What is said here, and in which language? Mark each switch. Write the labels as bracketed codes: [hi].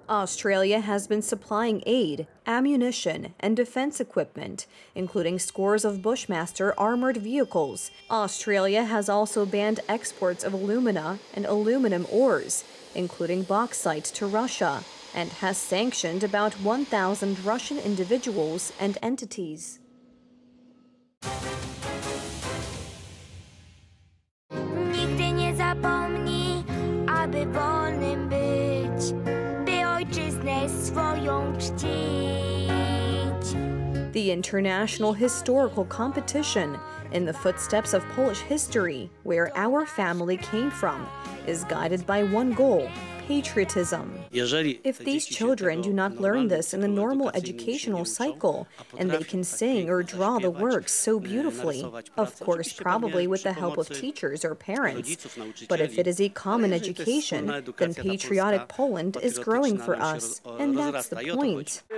[en] Australia has been supplying aid, ammunition, and defense equipment, including scores of Bushmaster armored vehicles. Australia has also banned exports of alumina and aluminum ores, including bauxite, to Russia, and has sanctioned about 1,000 Russian individuals and entities. [pl] Nigdy nie zapomnij, aby wolnym być, by ojczyznę swoją czcić. [en] The International Historical Competition, In the Footsteps of Polish History, Where Our Family Came From, is guided by one goal: patriotism. If these children do not learn this in the normal educational cycle, and they can sing or draw the works so beautifully, of course, probably with the help of teachers or parents, but if it is a common education, then patriotic Poland is growing for us, and that's the point.